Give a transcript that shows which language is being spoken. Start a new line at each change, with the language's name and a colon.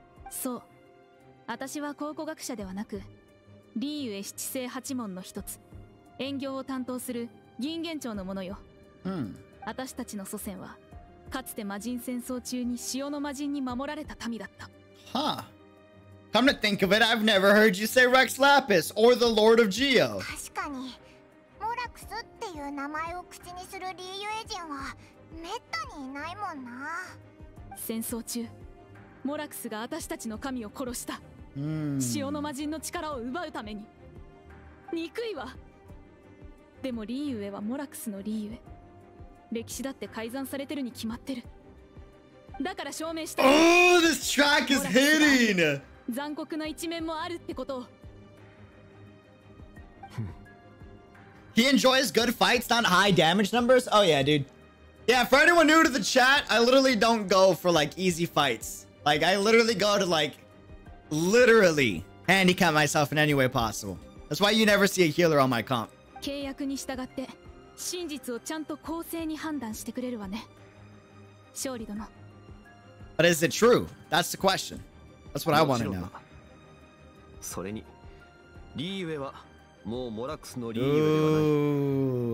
Japanese: そう、私は考古学者ではなく、リーウェ七星八門の一つ、遠行を担当する銀元町の者よ。うん、私たちの祖先はかつて魔人戦争中に潮の魔人に守られた民だった。
English: はあ、Come to think of it, I've never heard you say Rex Lapis or the Lord of Geo.
Japanese: 確かに、モラクスっていう名前を口にするリーユエ人はめったにいないもんな。戦争中、モラクスが私たちの神を殺した。潮の魔人の力を奪うために。憎いわ。でもリーユエはモラクスのリーユエ。歴史だって改ざんされてるに決まってる。だから証明した。
English: Oh, this track is hitting!
Japanese: 残酷な一面もあるってこと。
English: He enjoys good fights, not high damage numbers? Oh yeah, dude. Yeah, for anyone new to the chat, I literally don't go for like easy fights. Like, I literally go to like, literally handicap myself in any way possible. That's why you never see a healer on my comp.
Japanese: 契約に従って、真実をちゃんと公正に判断してくれるわね。勝利殿。
English: But is it true? That's the question. That's what I want to know.
Japanese: それに、リーウェはもうモラクスのリーウェ